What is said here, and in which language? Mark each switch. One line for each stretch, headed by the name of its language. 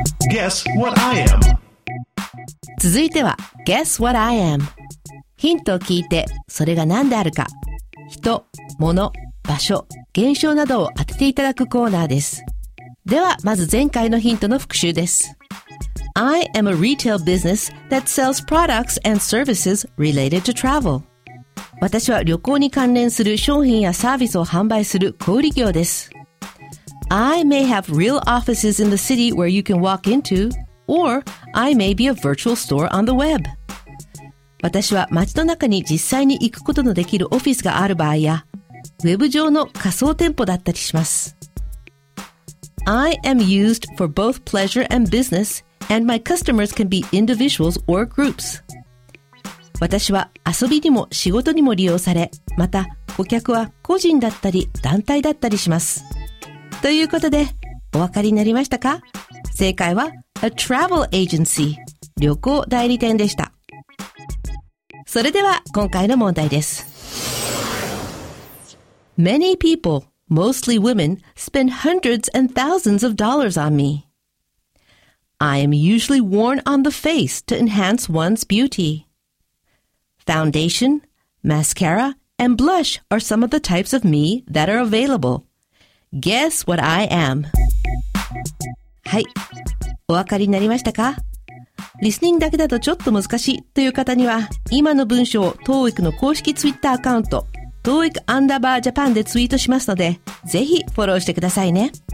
English: Guess what I am.
Japanese: 続いては
English: Guess what I am.
Japanese: ヒントを聞いてそれが何であるか、人、物、場所、現象などを当てていただくコーナーです。ではまず前回のヒントの復習です。
English: I am a retail business that sells products and services related to travel.
Japanese: 私は旅行に関連する商品やサービスを販売する小売業です。
English: I may have real offices in the city where you can walk into, or I may be a virtual store on the web.
Japanese: 私は街の中に実際に行くことのできるオフィスがある場合や、ウェブ上の仮想店舗だったりします。
English: I am used for both pleasure and business, and my customers can be individuals or groups.
Japanese: 私は遊びにも仕事にも利用され、また顧客は個人だったり団体だったりします。ということで、お分かりになりましたか？正解は、
English: a travel agency、
Japanese: 旅行代理店でした。それでは今回の問題です。
English: Many people, mostly women, spend hundreds and thousands of dollars on me. I am usually worn on the face to enhance one's beauty. Foundation, mascara, and blush are some of the types of me that are available. Guess what I am?
Japanese: はい、お分かりになりましたか？リスニングだけだとちょっと難しいという方には、今の文章を TOEIC の公式 Twitter アカウント TOEIC アンダーバージャパンでツイートしますので、ぜひフォローしてくださいね。